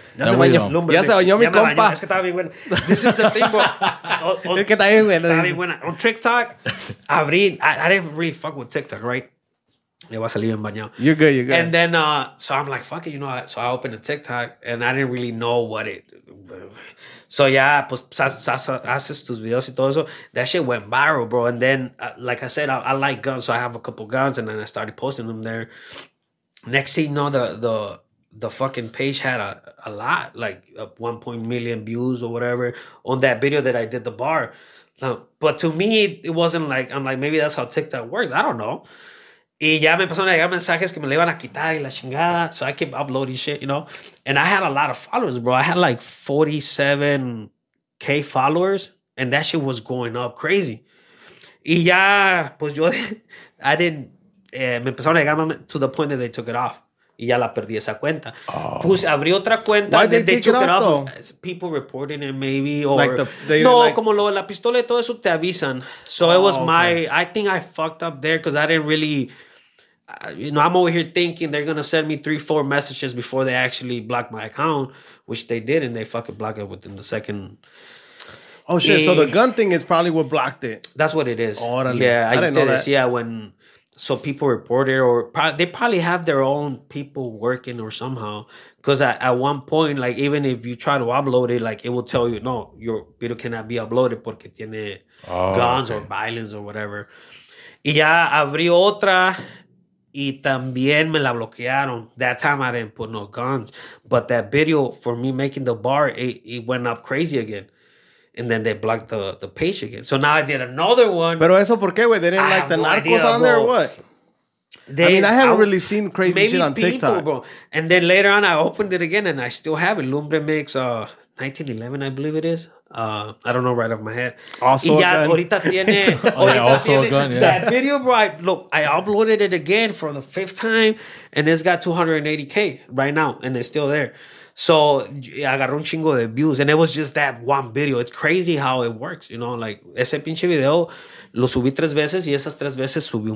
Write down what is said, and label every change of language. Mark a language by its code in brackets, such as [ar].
[es] Ya se bañó mi compa. Es que estaba bien buena. [en] This is the thing, bro. [es] Es que está bien buena. Está bien buena. [en] On TikTok, I didn't really fuck with TikTok, right? [es] Le va a salir en bañado. [en] You're good. And then, so I'm like, fuck it, you know. So I opened a TikTok, and I didn't really know what it... [es] So yeah, pues haces tus videos y todo eso. [en] That shit went viral, bro. And then, like I said, I like guns, so I have a couple guns, and then I started posting them there. Next thing you know, the fucking page had a lot, like 1.1 million views or whatever on that video that I did the bar. But to me, it wasn't like, I'm like, maybe that's how TikTok works. I don't know. [es] Y ya me empezaron a llegar mensajes que me le iban a quitar y la chingada. [en] So I keep uploading shit, you know. And I had a lot of followers, bro. I had like 47,000 followers. And that shit was going up crazy. [es] Y ya, pues yo, [en] I didn't, [es] me empezaron a llegar [en] to the point that they took it off. [es] Y ya la perdí esa cuenta. Oh. Pues abrí otra cuenta. [en] Why did they took it off, though? People reporting it, maybe. Or, like [es] como lo de la pistola y todo eso, te avisan. [en] So it was okay. I think I fucked up there because I didn't really... you know, I'm over here thinking they're going to send me 3-4 messages before they actually block my account, which they did, and they fucking blocked it within the second... Oh, shit. So the gun thing is probably what blocked it. That's what it is. Orale. Yeah, I didn't know that. Yeah, when... So people reported, or they probably have their own people working or somehow. Because at one point, like, even if you try to upload it, like, it will tell you, no, your video cannot be uploaded [es] porque tiene [en] guns or violence or whatever. [es] Y ya abrí otra y también me la bloquearon. [en] That time I didn't put no guns. But that video for me making the bar, it went up crazy again. And then they blocked the page again. So now I did another one. [es] Pero eso por qué, güey? [en] They didn't like the narcos on there or what? I haven't really seen crazy shit on TikTok. Bro. And then later on, I opened it again, and I still have it. Lumbre Mix 1911, I believe it is. I don't know right off my head. Also [es] y [en] a gun. [es] Ahorita tiene, ahorita [en] also [es] tiene [en] a gun, yeah. That video, bro, I uploaded it again for the fifth time, and it's got 280,000 right now, and it's still there. So I got [es] un chingo de [en] views, and it was just that one video. It's crazy how it works, you know. [es] Like ese pinche video, lo subí tres veces y esas tres veces subió un